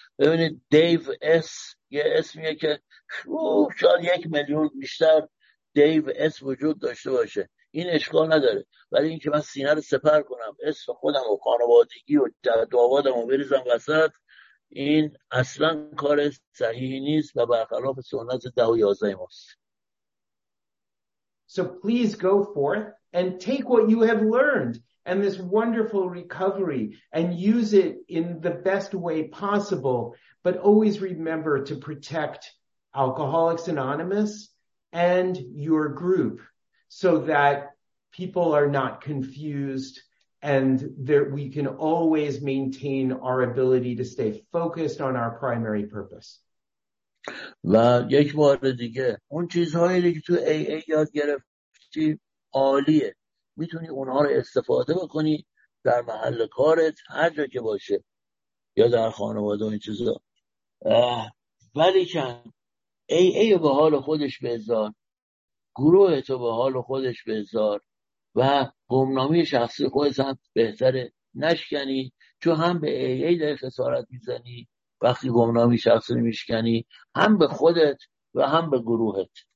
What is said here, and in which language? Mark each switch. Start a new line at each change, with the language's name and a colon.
Persian: ببینید، دیو اس یه اسمیه که شاید 1 میلیون بیشتر دیو اس وجود داشته باشه، این اشکال نداره. ولی این که من سینه رو سپر کنم، اسم خودم و خانوادگی و دعوادم رو بریزم وسط، این اصلا کار صحیحی نیست و برخلاف سنت 10 و 11 ماست.
English: So please go forth and take what you have learned and this wonderful recovery and use it in the best way possible, but always remember to protect Alcoholics Anonymous and your group so that people are not confused and that we can always maintain our ability to stay focused on our primary purpose.
Persian: و یک بار دیگه، اون چیزهایی که تو AA یاد گرفتی عالیه، میتونی اونها رو استفاده بکنی در محل کارت هر جا که باشه یا در خانواده و این چیزا. ولی چند AA به حال خودش بذار، گروه تو به حال خودش بذار و گمنامی شخصی خودت هم بهتره نشکنی، چون هم به AA داری خسارت میزنی وقتی گمنامی شخصی میشکنی، هم به خودت و هم به گروهت.